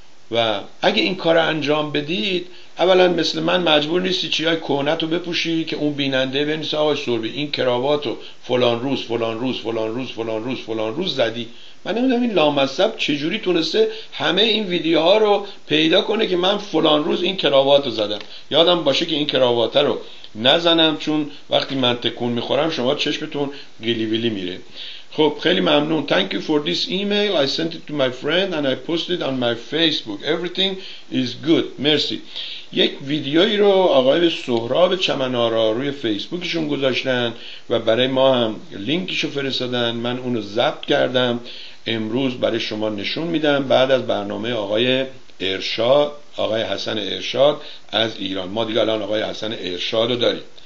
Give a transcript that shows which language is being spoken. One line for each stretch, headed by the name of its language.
Persian: و اگه این کار رو انجام بدید، اولا مثل من مجبور نیستی چیای کهنه تو بپوشی که اون بیننده بنویسه آقای سوربی این کراوات رو فلان روز فلان روز فلان روز فلان روز فلان روز زدی. من نمیدونم این لامصب چجوری تونسته همه این ویدیوها رو پیدا کنه که من فلان روز این کراوات رو زدم. یادم باشه که این کراوات رو نزنم، چون وقتی من تکون میخورم شما چشمتون گلی ویلی میره. خب خیلی ممنون.
English: Thank you for this email. I sent it to my friend and I posted on my Facebook. Everything is good. مرسی.
Persian: یک ویدیویی رو آقای سهراب چمنارا روی فیسبوکشون گذاشتن و برای ما هم لینکشو فرستادن. من اونو ضبط کردم. امروز برای شما نشون میدم بعد از برنامه آقای ارشاد، آقای حسن ارشاد از ایران. ما دیگه الان آقای حسن ارشاد رو داریم.